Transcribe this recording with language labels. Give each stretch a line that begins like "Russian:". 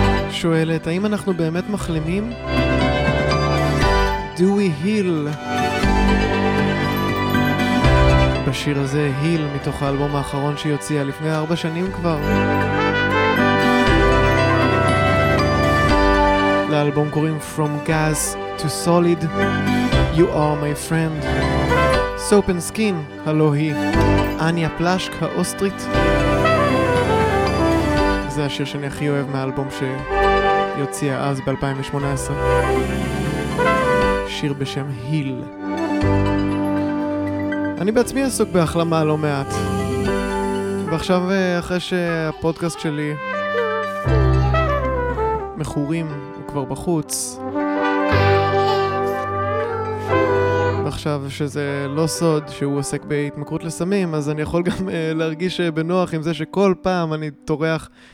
Hebrew: שואלת, האם אנחנו באמת מחלימים?
English: Do we heal?
Hebrew: בשיר הזה, heal, מתוך האלבום האחרון שהיא הוציאה לפני 4 שנים כבר. לאלבום קוראים From Gas to Solid.
English: You are my friend.
Hebrew: Soap and Skin, הלו היא. אניה פלאשק, האוסטרית. זה השיר שאני הכי אוהב מהאלבום ש... יוציאה אז ב-2018 שיר בשם היל. אני בעצמי עסוק בהחלמה לא מעט, ועכשיו אחרי שהפודקאסט שלי מחורים הוא כבר בחוץ, ועכשיו שזה לא סוד שהוא עוסק בהתמכרות לסמים, אז אני יכול גם להרגיש בנוח עם זה שכל פעם אני תורח